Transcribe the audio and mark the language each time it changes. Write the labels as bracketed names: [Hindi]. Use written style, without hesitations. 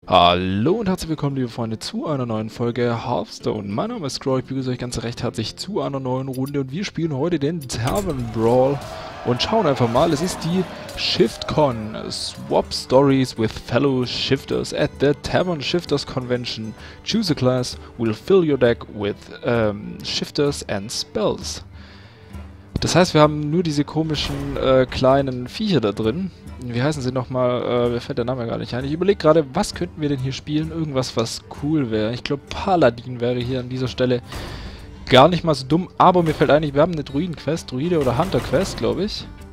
[German] Hallo und herzlich willkommen, liebe Freunde, zu einer neuen Folge Hearthstone. Mein Name ist Scroll, ich begrüße euch ganz recht herzlich zu einer neuen Runde und wir spielen heute den Tavern Brawl und schauen einfach mal, es ist die ShiftCon, Swap Stories with Fellow Shifters at the Tavern Shifters Convention. [English] Choose a class, we'll fill your deck with Shifters and Spells. [German] Das heißt, wir haben nur diese komischen kleinen Viecher da drin. Wie heißen sie nochmal? Mir fällt der Name gar nicht ein. Ich überlege gerade, was könnten wir denn hier spielen? Irgendwas, was cool wäre. Ich glaube, Paladin wäre hier an dieser Stelle gar nicht mal so dumm. Aber mir fällt ein, wir haben eine Druiden-Quest. Druide oder Hunter-Quest, glaube ich.